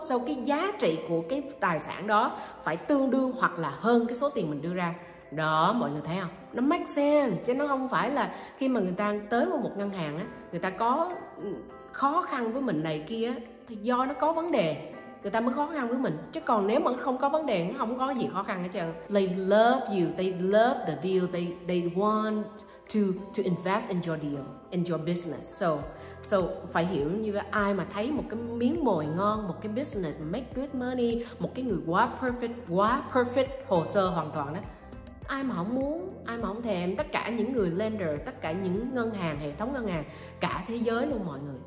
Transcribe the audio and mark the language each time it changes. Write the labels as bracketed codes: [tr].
[vi] Sau cái giá trị của cái tài sản đó phải tương đương hoặc là hơn cái số tiền mình đưa ra đó, mọi người thấy không? Nó [en] make sense, [vi] chứ nó không phải là khi mà người ta tới vào một ngân hàng á, người ta có khó khăn với mình này kia thì do nó có vấn đề người ta mới khó khăn với mình, chứ còn nếu mà không có vấn đề, nó không có gì khó khăn hết trơn. [en] They love you, they love the deal, they want to invest in your deal, in your business. [vi] So phải hiểu như vậy. Ai mà thấy một cái miếng mồi ngon, một cái business [en] make good money, [vi] một cái người quá perfect hồ sơ hoàn toàn đó, ai mà không muốn, ai mà không thèm? Tất cả những người lender, tất cả những ngân hàng, hệ thống ngân hàng cả thế giới luôn mọi người.